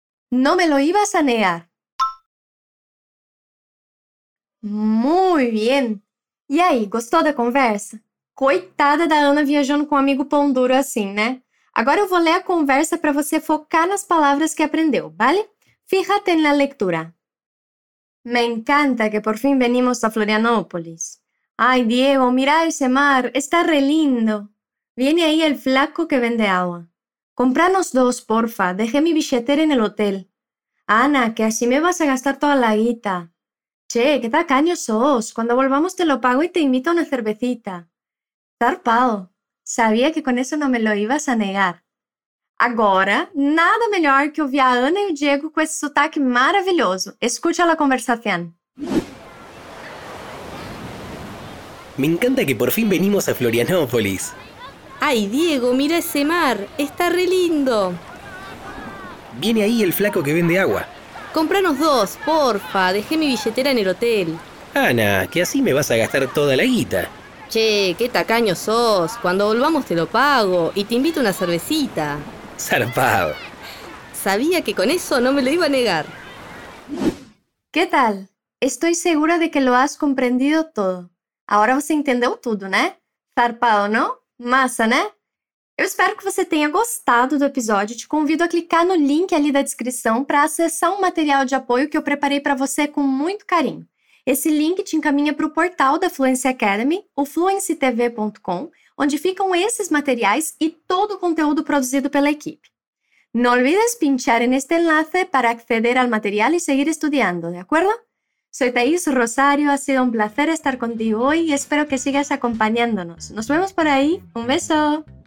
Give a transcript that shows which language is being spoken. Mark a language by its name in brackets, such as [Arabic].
[Spanish] Não me lo ibas a negar. Muy bien. [Portuguese] E aí, gostou da conversa? Coitada da Ana viajando com um amigo pão duro assim, né? Agora eu vou ler a conversa para você focar nas palavras que aprendeu, vale? Fíjate na leitura. [Spanish] Me encanta que por fin venimos a Florianópolis. Ay, Diego, mira ese mar, está re lindo. Viene ahí el flaco que vende agua. Compranos dos, porfa, dejé mi billetera en el hotel. Ana, que así me vas a gastar toda la guita. Che, qué tacaño sos. Cuando volvamos te lo pago y te invito a una cervecita. Zarpado. Sabía que con eso no me lo ibas a negar. [Portuguese] Agora, nada melhor que ouvir a Ana e o Diego com esse sotaque maravilhoso. Escute a conversación. [Spanish] Me encanta que por fin venimos a Florianópolis. Ay, Diego, mira ese mar. Está re lindo. Viene ahí el flaco que vende agua. Compranos dos, porfa. Dejé mi billetera en el hotel. Ana, que así me vas a gastar toda la guita. Che, qué tacaño sos. Cuando volvamos te lo pago y te invito a una cervecita. Zarpado. Sabía que con eso no me lo iba a negar. ¿Qué tal? Estoy segura de que lo has comprendido todo. Ahora vos [Portuguese] entendeu tudo, [Spanish] ¿no? Zarpado, ¿no? Massa, ¿no? [Portuguese] Eu espero que você tenha gostado do episódio. Te convido a clicar no link ali da descrição para acessar um material de apoio que eu preparei para você com muito carinho. Esse link te encaminha para o portal da Fluency Academy, o fluencytv.com, onde ficam esses materiais e todo o conteúdo produzido pela equipe. [Spanish] No olvides pinchar en este enlace para acceder al material y seguir estudiando, ¿de acuerdo? Soy Thaís Rosario, ha sido un placer estar contigo hoy y espero que sigas acompañándonos. Nos vemos por ahí, un beso.